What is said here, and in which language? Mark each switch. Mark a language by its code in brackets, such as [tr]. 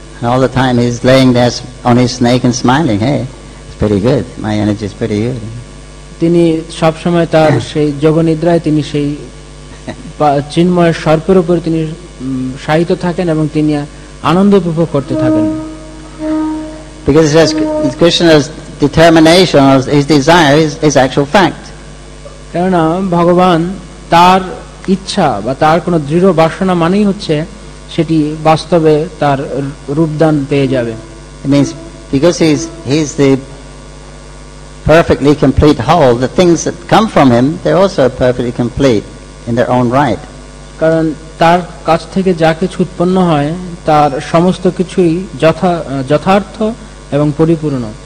[en] All the time he's laying there on his snake and smiling. Hey, it's pretty good. My energy is pretty good. [bn] তিনি সব সময় তার সেই যোগনিদ্রায় তিনি সেই চিন্ময় সর্পের উপর তিনি শায়িত থাকেন এবং তিনি আনন্দ উপভোগ করতে থাকেন। [en] Because it says Krishna's determination or his desire is actual fact. [bn] কারণ ভগবান তার ইচ্ছা বা তার কোনো দৃঢ় বাসনা মানেই হচ্ছে সেটি বাস্তবে তার রূপদান পেয়ে যাবে। [en] It means because he is the perfectly complete whole, the things that come from him, they're also perfectly complete in their own right. [bn] কারণ তার কাছ থেকে যা কিছু উৎপন্ন হয় তার সমস্ত কিছুই যথার্থ এবং পরিপূর্ণ।